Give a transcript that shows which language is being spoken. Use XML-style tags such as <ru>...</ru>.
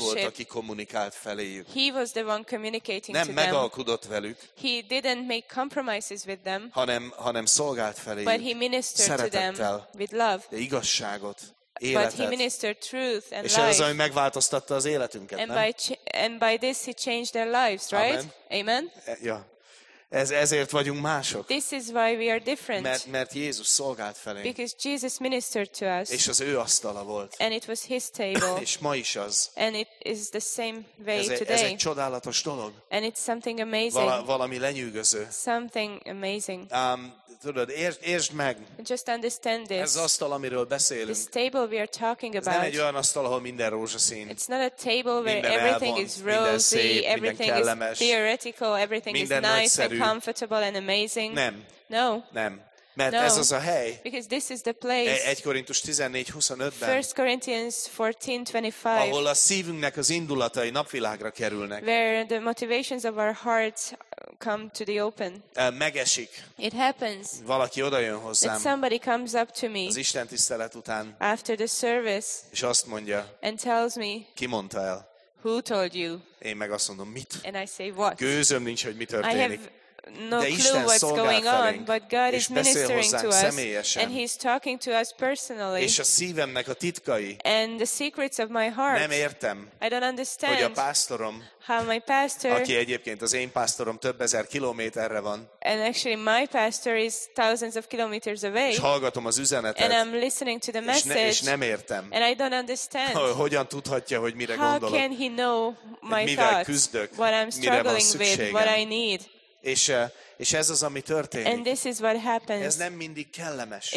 <hu>Ő volt, aki kommunikált feléjük.</hu> <en>He was the one communicating</en> <hu>Nem</hu> <en>to</en> <hu>megalkudott</hu> <en>them.</en> <hu>Velük.</hu> <en>He didn't make compromises with them.</en> <hu>Hanem szolgált feléjük.</hu> <en>But he ministered</en> <hu>szeretettel.</hu> <en>To them with love.</en> <hu>De igazságot.</hu> <en>But he ministered truth and</en> <hu>és</hu> <en>life.</en> <hu>És az, ami megváltoztatta az életünket,</hu> <en>and</en> <hu>nem?</hu> <en>And by this he changed their lives, right?</en> <hu>Amen. Ja. Ezért vagyunk mások.</hu> <en>This is why we are different.</en> <hu>Mert Jézus szolgált felénk.</hu> <en>Because Jesus ministered to us.</en> <hu>És az ő asztala volt.</hu> <en>And it was his table.</en> <hu>És ma is az.</hu> <en>And it is the same way today.</en> <hu>Ez egy csodálatos dolog.</hu> <en>And it's something amazing.</en> <hu>Valami lenyűgöző.</hu> <en>Something amazing.</en> <hu>Tudod, értsd meg.</hu> <en>Just understand this.</en> <hu>Ez az asztal, amiről beszélünk.</hu> <en>This table we are talking about.</en> <hu>Ez nem egy olyan asztal, ahol minden rózsaszín.</hu> <en>It's not a table where everything is rosy, everything is theoretical, everything is nice and comfortable and amazing.</en> <hu>Nem.</hu> <en>No.</en> <hu>Nem. Mert ez az a hely.</hu> <en>Because this is the place.</en> <hu>1 Korintus 14:25-ben.</hu> <en>1 Corinthians 14:25.</en> <hu>Ahol a szívünknek az indulatai napvilágra kerülnek.</hu> <en>Where the motivations of our hearts come to the open.</en> <hu>Megesik.</hu> <en>It happens.</en> <hu>Valaki odajön hozzám.</hu> <en>That somebody comes up to me.</en> <hu>Az istentisztelet után.</hu> <en>After the service.</en> <hu>És azt mondja.</hu> <en>And tells me.</en> <hu>Ki mondta el?</hu> <en>Who told you?</en> <hu>Én meg azt mondom, mit?</hu> <en>And I say what?</en> <hu>Gőzöm nincs, hogy mi történik.</hu> <en>No</en> <hu>De</hu> <en>clue</en> <hu>Isten</hu> <en>what's going on, but God is ministering to us,</en> <hu>személyesen.</hu> <en>And he's talking to us personally.</en> <hu>És a szívemnek a titkai.</hu> <en>And the secrets of my heart.</en> <hu>Nem értem.</hu> <en>I don't understand.</en> <hu>Hogy a pásztorom.</hu> <en>How my pastor.</en> <hu>Aki egyébként az én pásztorom több ezer kilométerre van.</hu> <en>And actually my pastor is thousands of kilometers away.</en> <hu>És hallgatom az üzenetet.</hu> <en>And I'm listening to the message.</en> <hu>És nem értem.</hu> <en>And I don't understand.</en> <hu>Hogyan tudhatja, hogy mire</hu> <en>How</en> <hu>gondolok?</hu> <en>How can he know my thoughts?</en> <hu>Küzdök,</hu> <en>what I'm struggling with, what I need.</en> <hu>És ez az, ami történik.</hu> <en>And this is what happens.</en> <hu>Ez nem mindig kellemes.</hu>